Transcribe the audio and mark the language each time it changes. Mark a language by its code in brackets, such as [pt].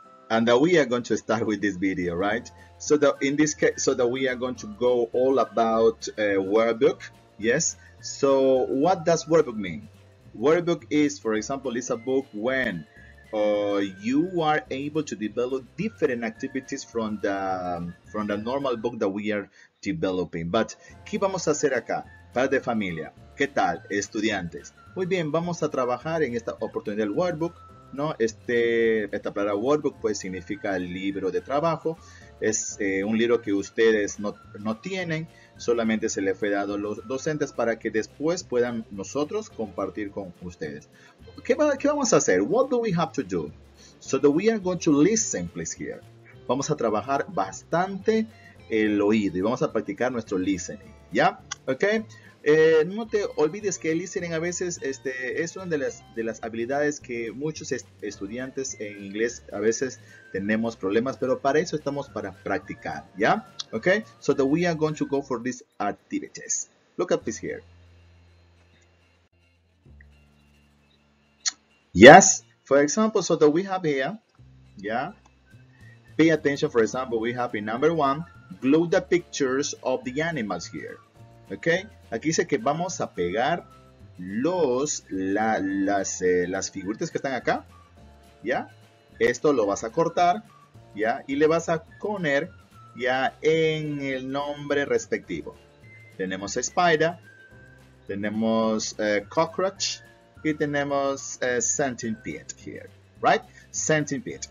[en] And we are going to start with this video, right? So that in this case, so that we are going to go all about a workbook. Yes. So what does workbook mean? Workbook is, for example, it's a book when you are able to develop different activities from the normal book that we are developing. [es] But ¿qué vamos a hacer acá? Padre de familia, ¿qué tal, estudiantes? Muy bien, vamos a trabajar en esta oportunidad del workbook, ¿no? Esta palabra workbook pues significa libro de trabajo. Es un libro que ustedes no tienen, solamente se le fue dado a los docentes para que después puedan nosotros compartir con ustedes. ¿Qué vamos a hacer? [en] What do we have to do? So that we are going to listen, please, here. [es] Vamos a trabajar bastante el oído y vamos a practicar nuestro listening, ¿ya? Ok, no te olvides que el listening a veces es una de las habilidades que muchos estudiantes en inglés a veces tenemos problemas, pero para eso estamos para practicar, ¿ya? [en] Ok, so that we are going to go for these activities. Look at this here. Yes, for example, so that we have here, ¿yeah? Pay attention, for example, we have in number one, glue the pictures of the animals here. [es] Okay, aquí dice que vamos a pegar las figuritas que están acá, ¿ya? Esto lo vas a cortar, ¿ya? Y le vas a poner ya en el nombre respectivo. Tenemos spider, tenemos cockroach y tenemos centipede [en] here, right? [es] Centipede.